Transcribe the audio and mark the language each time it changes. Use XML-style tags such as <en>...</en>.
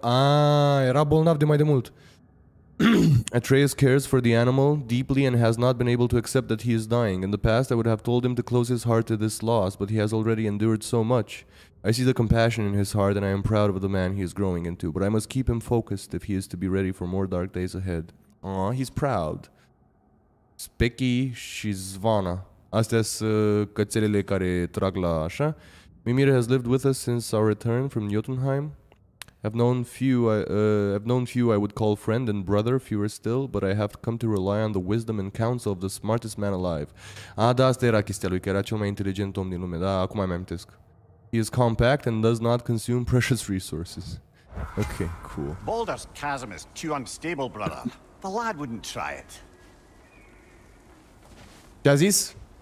<ro>Ah, era bolnav de mai demult.</ro> <en>Atreus cares for the animal deeply and has not been able to accept that he is dying. In the past, I would have told him to close his heart to this loss, but he has already endured so much. I see the compassion in his heart and I am proud of the man he is growing into, but I must keep him focused if he is to be ready for more dark days ahead. Aw, he's proud. Specky și Zvana.</en> <ro>Astea sunt cățelele care trag la așa.</ro> <en>Mimir has lived with us since our return from Jotunheim. I've known few I would call friend and brother, fewer still, but I have come to rely on the wisdom and counsel of the smartest man alive.</en> <ro>Ah, da, asta era chestia lui, că era cel mai inteligent om din lume. Da, acum mai amintesc.</ro> <en>He is compact and does not consume precious resources. Okay, cool. Baldur's chasm is too unstable, brother. The lad wouldn't try it.</en> <ro>Ce-a zis?</ro>